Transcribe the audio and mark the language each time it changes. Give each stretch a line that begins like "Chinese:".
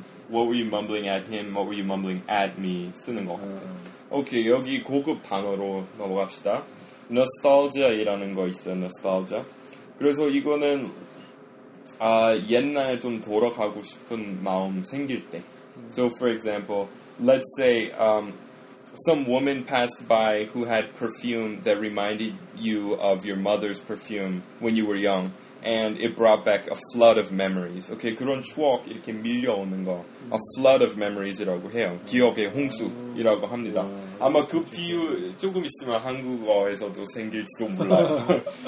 English: What were you mumbling at him? What were you mumbling at me?
Korean: 쓰는 것 같아요. 오케이, 여기 고급 단어로 넘어갑시다. Nostalgia이라는 거 있어요, nostalgia. 그래서 이거는 옛날에 좀 돌아가고 싶은 마음 생길 때.
English: So, for example, let's say some woman passed by who had perfume that reminded you of your mother's perfume when you were young. And it brought back a flood of memories.
Korean: Okay, 그런 추억 이렇게 밀려오는 거.
English: A flood of memories
Korean: 이라고 해요. 기억의 홍수이라고 합니다. 아마 그 비유 조금 있으면 한국어에서도 생길지도 몰라요.